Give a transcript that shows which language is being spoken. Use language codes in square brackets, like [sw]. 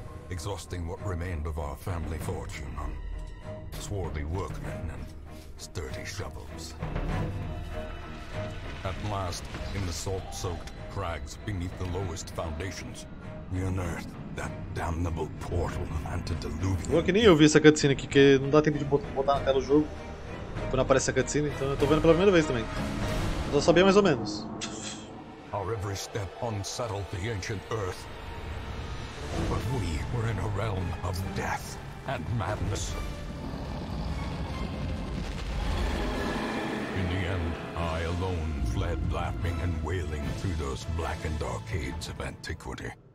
[en] Exhausting what remained of our family fortune on swarthy workmen and sturdy shovels. At last, in the salt-soaked crags beneath the lowest foundations, we unearthed that damnable portal of antediluvian. [pt] Eu que nem ouvi essa cutscene aqui, que não dá tempo de botar na tela o jogo quando aparece a cutscene, então eu tô vendo pela primeira vez também. Eu só sabia mais ou menos. [en] Our every step unsettled the ancient earth. But we were in a realm of death and madness. In the end, I alone fled laughing and wailing through those blackened arcades of antiquity.